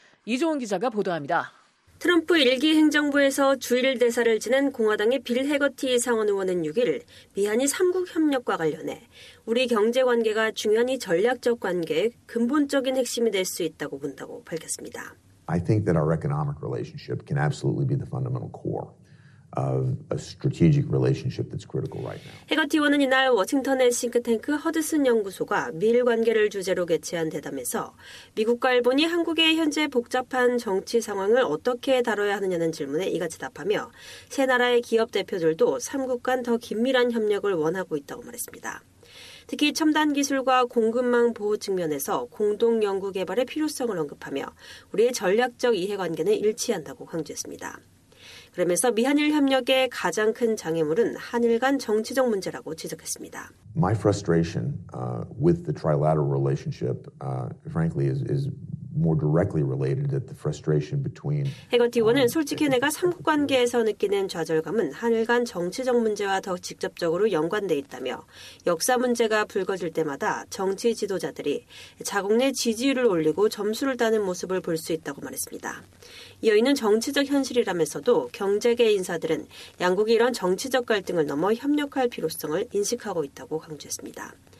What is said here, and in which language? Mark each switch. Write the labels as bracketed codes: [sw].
[ko] 이종훈 기자가 보도합니다. 트럼프 1기 행정부에서 주일 대사를 지낸 공화당의 빌 해거티 상원 의원은 6일 미한일 3국 협력과 관련해 우리 경제 관계가 중요한 이 전략적 관계의 근본적인 핵심이 될 수 있다고 본다고 밝혔습니다. [en] I think that our economic relationship can absolutely be the fundamental core of a strategic relationship that's critical right now. [ko] 해거티 의원은 이날 워싱턴의 싱크탱크 허드슨 연구소가 미일 관계를 주제로 개최한 대담에서 미국과 일본이 한국의 현재 복잡한 정치 상황을 어떻게 다뤄야 하느냐는 질문에 이같이 답하며 세 나라의 기업 대표들도 3국 간 더 긴밀한 협력을 원하고 있다고 말했습니다. 특히 첨단 기술과 공급망 보호 측면에서 공동 연구 개발의 필요성을 언급하며 우리의 전략적 이해관계는 일치한다고 강조했습니다. 그러면서 미한일 협력의 가장 큰 장애물은 한일 간 정치적 문제라고 지적했습니다. [en] My frustration with the trilateral relationship, frankly, is more directly related to the frustration between. [ko] 해거티 의원은 솔직히 내가 삼국 관계에서 느끼는 좌절감은 한일 간 정치적 문제와 더 직접적으로 연관돼 있다며 역사 문제가 불거질 때마다 정치 지도자들이 자국 내 지지율을 올리고 점수를 따는 모습을 볼 수 있다고 말했습니다. 이어있는 정치적 현실이라면서도 경제계 인사들은 양국이 이런 정치적 갈등을 넘어 협력할 필요성을 인식하고 있다고 강조했습니다.